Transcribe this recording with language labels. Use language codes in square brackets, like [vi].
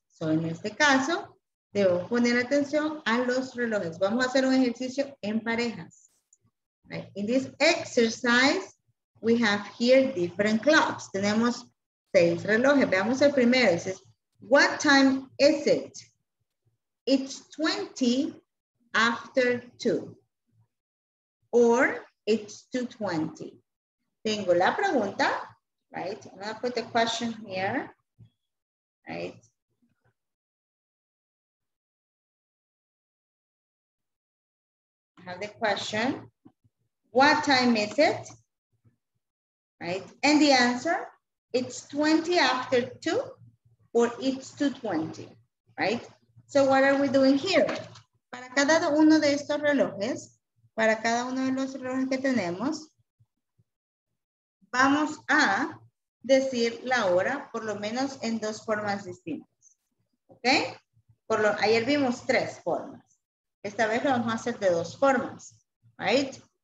[es] So en este caso, debo poner atención a los relojes. Vamos a hacer un ejercicio en parejas. [en] Right? In this exercise, we have here different clocks. [es] Tenemos 6 relojes. Veamos el primero. [en] It says, what time is it? It's 20 after 2. Or it's 2:20. [es] Tengo la pregunta, [en] right? I'm gonna put the question here, right? I have the question. What time is it? Right? And the answer, it's 20 after 2 or it's 2:20, right? So what are we doing here? [es] Para cada uno de estos relojes, para cada uno de los relojes que tenemos, vamos a decir la hora, por lo menos en 2 formas distintas. ¿Ok? Ayer vimos 3 formas. Esta vez lo vamos a hacer de 2 formas. [en] ¿Right?